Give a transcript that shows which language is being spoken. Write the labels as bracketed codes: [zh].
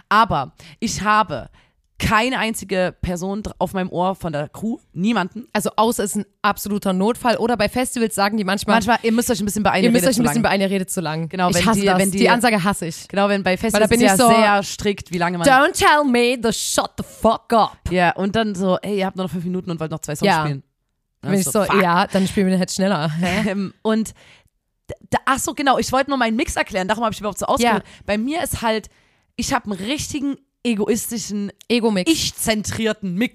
[de] Aber ich habe keine einzige Person auf meinem Ohr von der Crew, niemanden. Also außer es ist ein absoluter Notfall. Oder bei Festivals sagen die manchmal, ihr müsst euch ein bisschen beeilen, ihr müsst euch ein bisschen beeilen, ihr redet zu lang. Genau, ich hasse das. Die Ansage hasse ich. Genau, wenn bei Festivals bin ist ich ja so, sehr strikt, wie lange man... [en] Don't tell me the shut the fuck up. [de] Ja, yeah, und dann so, ey, ihr habt nur noch 5 Minuten und wollt noch 2 Songs spielen. Dann bin ich so, ja, dann spielen wir halt schneller. Und, ach so, genau, ich wollte nur meinen Mix erklären, darum habe ich überhaupt so ausgewählt. Ja. Bei mir ist halt, ich habe einen richtigen egoistischen, Ego-Mix. Ich-zentrierten Mix.